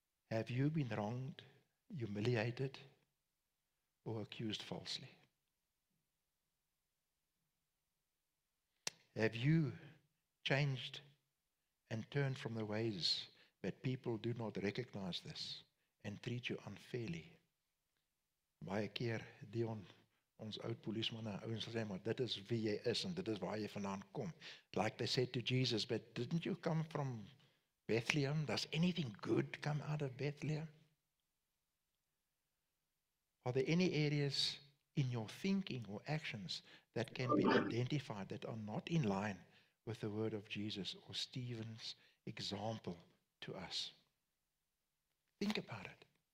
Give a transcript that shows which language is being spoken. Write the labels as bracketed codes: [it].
[en] Have you been wronged, humiliated, or accused falsely? Have you changed and turned from the ways that people do not recognize this and treat you unfairly? [af] Baie keer, Dion, ons oud polisman, ons sê, maar dit is wie jy is, en dit is waar jy vandaan kom. [en] Like they said to Jesus, but didn't you come from Bethlehem? Does anything good come out of Bethlehem? Are there any areas in your thinking or actions that can be identified that are not in line with the word of Jesus or Stephen's example to us? Think about it.